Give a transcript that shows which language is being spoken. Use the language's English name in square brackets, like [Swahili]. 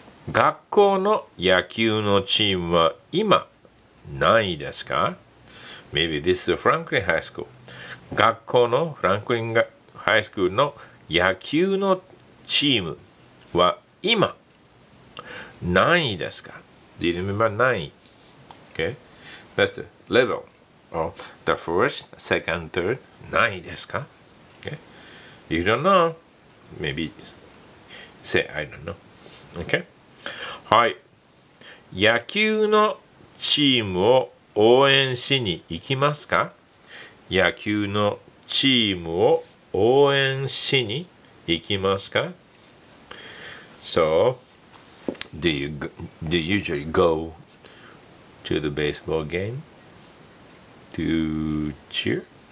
[Japanese] 学校の野球のチームは今何位ですか? [English] Maybe this is Franklin High School. [Japanese] 学校のフランクリンハイスクールの野球のチームは今何位ですか? [English] Do you remember [Japanese] 何位? [English] Okay. That's the level of the first, second, third, [Japanese] 何位ですか? [English] Okay. You don't know. Maybe say I don't know. Okay. [Japanese] はい。野球のチームを応援しに行きますか? 野球のチームを応援しに行きますか? [English] So, do you usually go to the baseball game to cheer?